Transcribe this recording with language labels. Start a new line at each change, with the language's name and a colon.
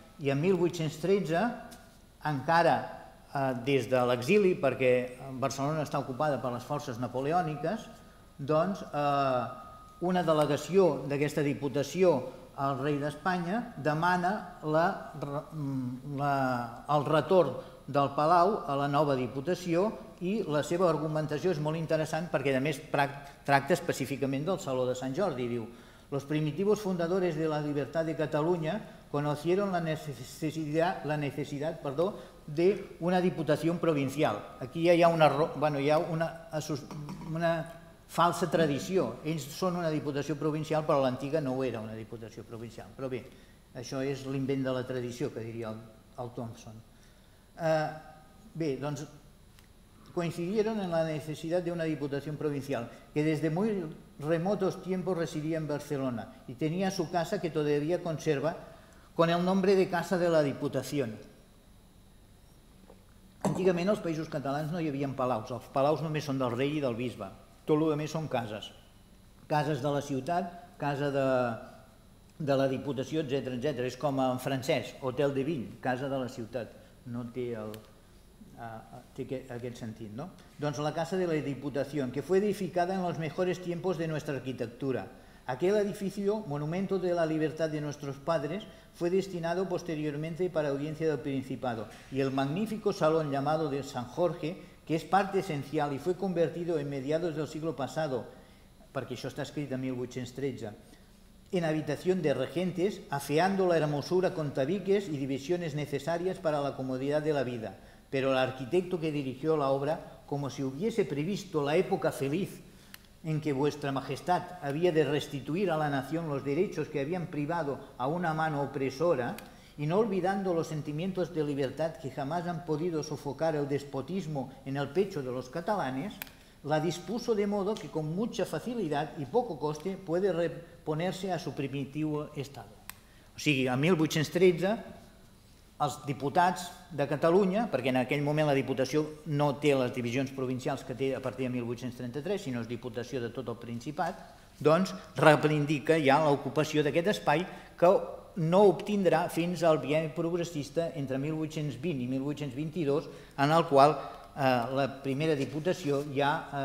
Catalan: I en 1813, encara des de l'exili, perquè Barcelona està ocupada per les forces napoleòniques, doncs una delegació d'aquesta Diputació al rei d'Espanya demana el retorn del Palau a la nova Diputació, i la seva argumentació és molt interessant perquè a més tracta específicament del Saló de Sant Jordi. Diu:
Spanish: Los primitivos fundadores de la libertad de Cataluña conocieron la necesidad de una diputación provincial.
Catalan: Aquí ya hi ha una falsa tradició. Ells són una diputació provincial, però l'antiga no ho era, una diputació provincial. Però bé, això és l'invent de la tradició, que diria el Thompson. Bé, doncs,
Spanish: coincidieron en la necesidad de una diputación provincial, que desde muy remotos tiempos residía en Barcelona y tenía su casa, que todavía conserva, con el nombre de Casa de la Diputación.
Catalan: Antigament als Països Catalans no hi havia palaus, els palaus només són del rei i del bisbe, tot el que més són cases, cases de la ciutat, casa de la Diputació, etc. etc. És com en francès, Hotel de Ville, casa de la ciutat, no té el... Té aquest sentit, no?
Spanish: Doncs la Casa de la Diputación, que fue edificada en los mejores tiempos de nuestra arquitectura. Aquel edificio, monumento de la libertad de nuestros padres, fue destinado posteriormente para audiencia del Principado, y el magnífico salón llamado de San Jorge, que es parte esencial y fue convertido en mediados del siglo pasado, porque eso está escrito en 1813, en habitación de regentes, afeando la hermosura con tabiques y divisiones necesarias para la comodidad de la vida. Pero el arquitecto que dirigió la obra, como si hubiese previsto la época feliz en que vuestra majestad había de restituir a la nación los derechos que habían privado a una mano opresora, y no olvidando los sentimientos de libertad que jamás han podido sofocar el despotismo en el pecho de los catalanes, la dispuso de modo que con mucha facilidad y poco coste puede reponerse a su primitivo estado.
Catalan: O sigui, a 1813... els diputats de Catalunya, perquè en aquell moment la Diputació no té les divisions provincials que té a partir de 1833, sinó és Diputació de tot el Principat, doncs reivindica ja l'ocupació d'aquest espai, que no obtindrà fins al bienni progressista entre 1820 i 1822, en el qual la primera Diputació ja